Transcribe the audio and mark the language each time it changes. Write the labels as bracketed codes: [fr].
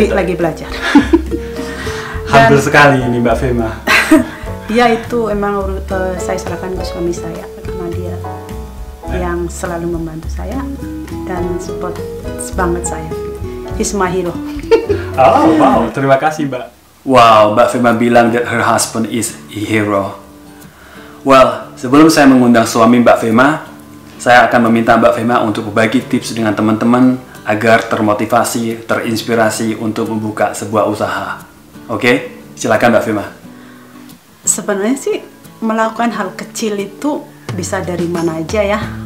[id] Lagi belajar. Hampir sekali ini Mbak Vema. Ya itu emang saya serahkan ke suami saya karena dia yang selalu membantu saya dan support banget saya. [en] He's my hero. [id] Oh wow, terima kasih Mbak. [en] Wow, Mbak Vema [id] bilang [en] that her husband is a hero. [id] Well, sebelum saya mengundang suami Mbak Vema, saya akan meminta Mbak Vema untuk berbagi tips dengan teman-teman agar termotivasi, terinspirasi untuk membuka sebuah usaha. Oke, silakan Mbak Vema. Sebenarnya sih melakukan hal kecil itu bisa dari mana aja ya.